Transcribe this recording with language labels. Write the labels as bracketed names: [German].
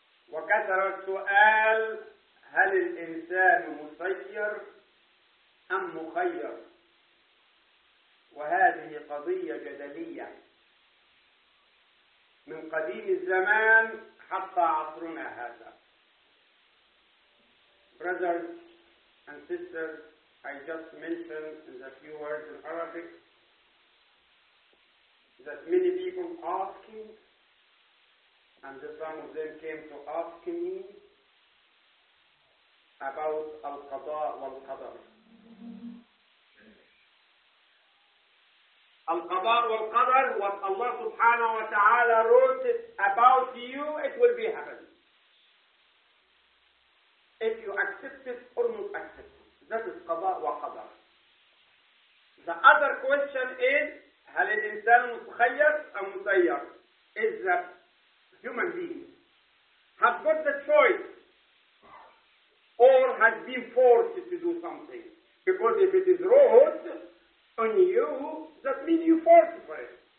[Arabic] وكثر السؤال هل الإنسان مسير أم مخير، وهذه قضية جدلية من قديم الزمان حتى عصرنا هذا. [English] Brothers and sisters, I just mentioned in a few words in Arabic that many people asking, and some of them came to ask me about al-qada wal-qadar. Al-qada wal-qadar, what Allah subhanahu wa ta'ala wrote about you, it will be happening. If you accept it or not accept it, that is qada wa qadar. The other question is, [Arabic] هل الإنسان مخير أم مسير? [English] Is that human beings have got the choice or has been forced to do something? Because if it is wrought on you, that means you forced for it.